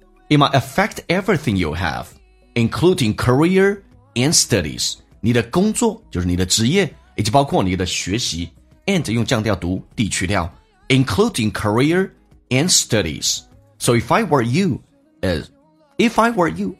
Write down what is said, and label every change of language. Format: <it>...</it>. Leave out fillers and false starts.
<en>It might affect everything you have, including career and studies.</en> <zh>你的工作就是你的职业，以及包括你的学习。 And 用降调读 ，D 去掉</zh> <en>，including career and studies. So if I were you, if I were you,</en>